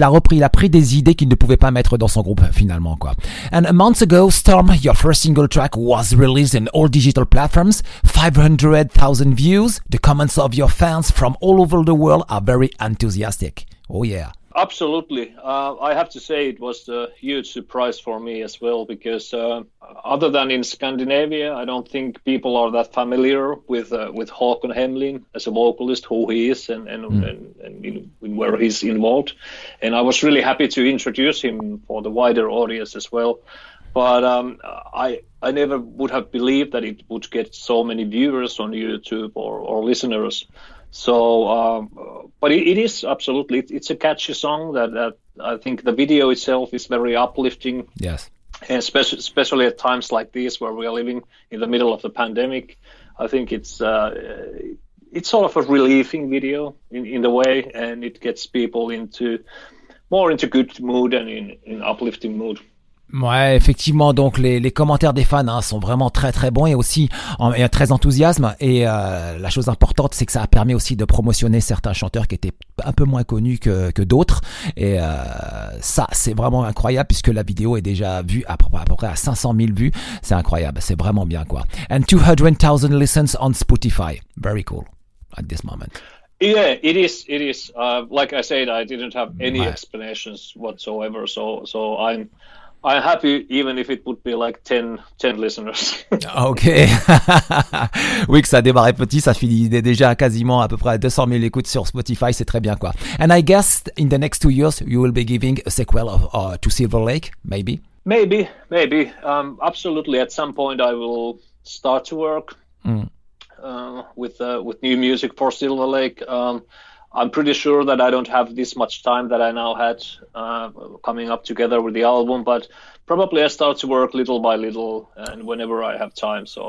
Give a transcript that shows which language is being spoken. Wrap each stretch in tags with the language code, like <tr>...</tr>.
<fr>Il a pris des idées qu'il ne pouvait pas mettre dans son groupe finalement, quoi.</fr> <en>And a month ago, Storm, your first single track, was released in all digital platforms. 500,000 views. The comments of your fans from all over the world are very enthusiastic. Oh yeah. Absolutely. I have to say it was a huge surprise for me as well, because other than in Scandinavia, I don't think people are that familiar with Håkon Hemlin as a vocalist, who he is and where he's involved. And I was really happy to introduce him for the wider audience as well. But I never would have believed that it would get so many viewers on YouTube or listeners. So, but it is absolutely, it's a catchy song that I think the video itself is very uplifting. Yes. And especially at times like this, where we are living in the middle of the pandemic, I think it's sort of a relieving video in the way, and it gets people more into good mood and in uplifting mood.</en> <fr>Ouais, effectivement, donc les commentaires des fans hein, sont vraiment très très bons et très enthousiasme. Et la chose importante, c'est que ça a permis aussi de promotionner certains chanteurs qui étaient un peu moins connus que d'autres. Et ça, c'est vraiment incroyable, puisque la vidéo est déjà vue à peu près à 500 000 vues. C'est incroyable, c'est vraiment bien quoi.</fr> <en>And 200,000 listens on Spotify. Very cool at this moment. Yeah, it is. Like I said, I didn't have any explanations whatsoever, so I'm happy, even if it would be like 10 listeners. Ok.</en> <fr>Oui, que ça démarrait petit, ça finit déjà quasiment à peu près à 200 000 écoutes sur Spotify, c'est très bien quoi.</fr> <en>And I guess in the next 2 years, you will be giving a sequel to Silver Lake, maybe? Maybe. Absolutely. At some point, I will start to work with new music for Silver Lake. I'm pretty sure that I don't have this much time that I now had coming up together with the album, but probably I start to work little by little and whenever I have time.</en>